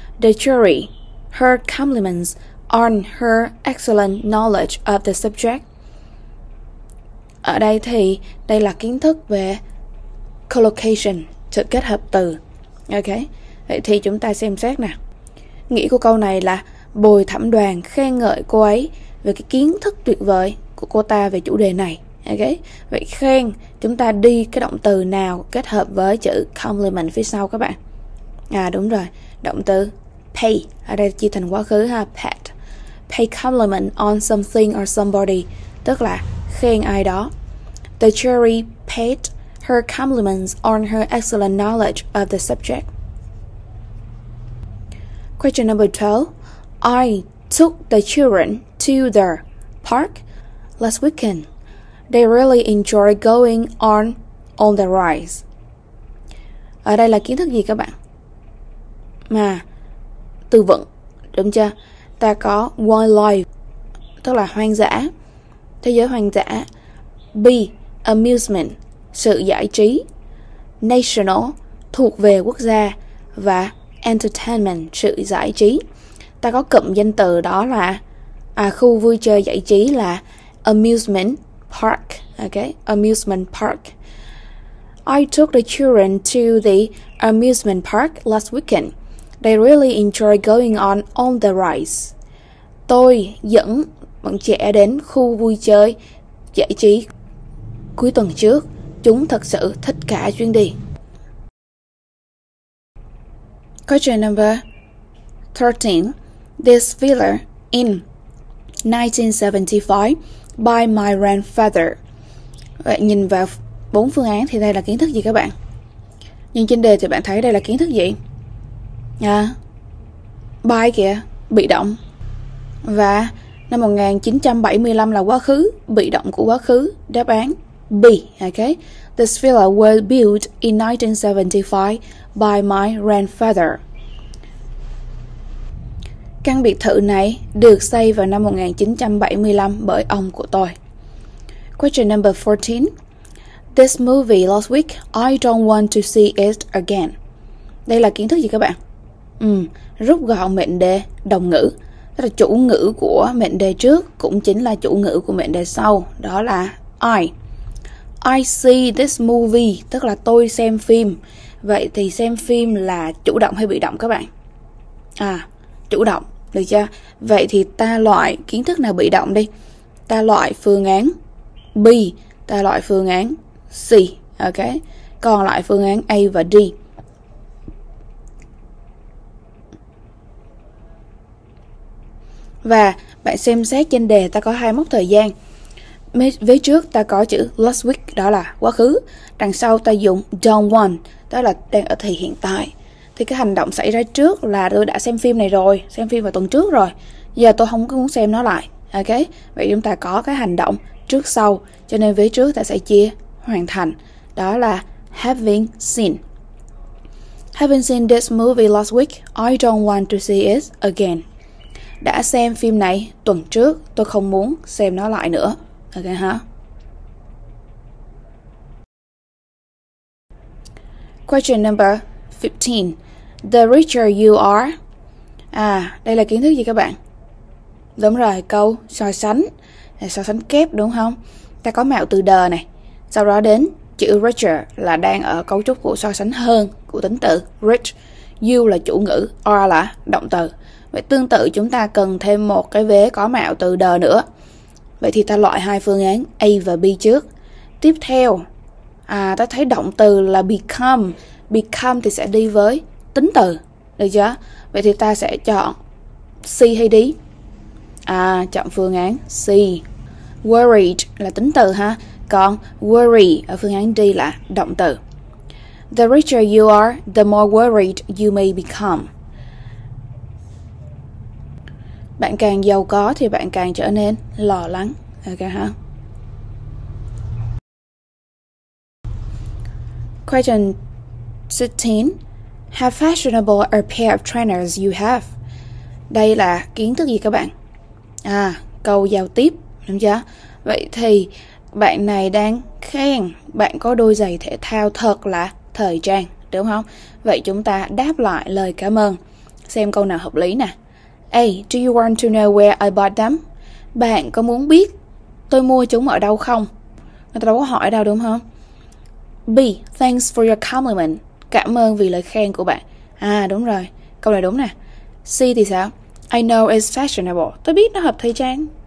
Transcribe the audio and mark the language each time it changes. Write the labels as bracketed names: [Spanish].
[English] The jury heard compliments on her excellent knowledge of the subject. [Vietnamese] Ở đây thì đây là kiến thức về collocation, sự kết hợp từ. Ok, vậy thì chúng ta xem xét nè. Nghĩa của câu này là bồi thẩm đoàn khen ngợi cô ấy về cái kiến thức tuyệt vời của cô ta về chủ đề này. Ok, vậy khen, chúng ta đi cái động từ nào kết hợp với chữ compliment phía sau các bạn? À đúng rồi, động từ pay. Ở đây chia thành quá khứ ha, pat. [English] Pay compliment on something or somebody, [Vietnamese] tức là khen ai đó. [English] The jury paid her compliments on her excellent knowledge of the subject. Question number 12. I took the children to the park last weekend. They really enjoy going on the rides. [Vietnamese] Ở đây là kiến thức gì các bạn? Mà từ vựng, đúng chưa? Ta có wildlife, tức là hoang dã. thế giới hoang dã. B. Amusement, sự giải trí. National, thuộc về quốc gia. Và entertainment, sự giải trí. Ta có cụm danh từ đó là khu vui chơi giải trí là amusement park. [English] Okay, amusement park. I took the children to the amusement park last weekend. They really enjoy going on the rides. [Vietnamese] Tôi dẫn bọn trẻ đến khu vui chơi giải trí cuối tuần trước. Chúng thật sự thích cả chuyến đi. [English] Question number 13. This villa in 1975 by my grandfather. [Vietnamese] Vậy nhìn vào bốn phương án thì đây là kiến thức gì các bạn? Nhìn trên đề thì bạn thấy đây là kiến thức gì? By kìa, bị động. Và năm 1975 là quá khứ, bị động của quá khứ. Đáp án B. Okay. [English] This villa was built in 1975 by my grandfather. [Vietnamese] Căn biệt thự này được xây vào năm 1975 bởi ông của tôi. [English] Question number 14. This movie last week, I don't want to see it again. [Vietnamese] Đây là kiến thức gì các bạn? Rút gọn mệnh đề đồng ngữ. Tức là chủ ngữ của mệnh đề trước cũng chính là chủ ngữ của mệnh đề sau. Đó là I. [English] I see this movie, [Vietnamese] tức là tôi xem phim. Vậy thì xem phim là chủ động hay bị động các bạn? Chủ động, được chưa? Vậy thì ta loại kiến thức nào bị động đi? Ta loại phương án B, ta loại phương án C, ok? Còn lại phương án A và D. Và bạn xem xét trên đề ta có hai mốc thời gian. Vế trước ta có chữ last week, đó là quá khứ. Đằng sau ta dùng don't want, đó là đang ở thì hiện tại. Thì cái hành động xảy ra trước là tôi đã xem phim này rồi, xem phim vào tuần trước rồi. Giờ tôi không có muốn xem nó lại, ok? Vậy chúng ta có cái hành động trước sau, cho nên vế trước ta sẽ chia hoàn thành. Đó là having seen. [English] Having seen this movie last week, I don't want to see it again. [Vietnamese] Đã xem phim này tuần trước, tôi không muốn xem nó lại nữa. Ok hả? Huh? [English] Question number 15. The richer you are. [Vietnamese] Đây là kiến thức gì các bạn? Đúng rồi, câu so sánh. So sánh kép đúng không? Ta có mạo từ the này. Sau đó đến chữ richer là đang ở cấu trúc của so sánh hơn, của tính từ rich. You là chủ ngữ, are là động từ. Vậy tương tự chúng ta cần thêm một cái vế có mạo từ the nữa. Vậy thì ta loại hai phương án A và B trước. Tiếp theo, ta thấy động từ là become. Become thì sẽ đi với tính từ, được chưa? Vậy thì ta sẽ chọn C hay D? Chọn phương án C. Worried là tính từ ha. Còn worry ở phương án D là động từ. [English] The richer you are, the more worried you may become. [Vietnamese] Bạn càng giàu có thì bạn càng trở nên lo lắng. Ok ha. [English] Question 16. How fashionable a pair of trainers you have? [Vietnamese] Đây là kiến thức gì các bạn? Câu giao tiếp, đúng chưa? Vậy thì bạn này đang khen bạn có đôi giày thể thao thật là thời trang, đúng không? Vậy chúng ta đáp lại lời cảm ơn. Xem câu nào hợp lý nè. A. [English] Do you want to know where I bought them? [Vietnamese] Bạn có muốn biết tôi mua chúng ở đâu không? Người ta đâu có hỏi đâu, đúng không? B. [English] Thanks for your compliment. [Vietnamese] Cảm ơn vì lời khen của bạn. Đúng rồi. Câu này đúng nè. C thì sao? [English] I know it's fashionable. [Vietnamese] Tôi biết nó hợp thời trang.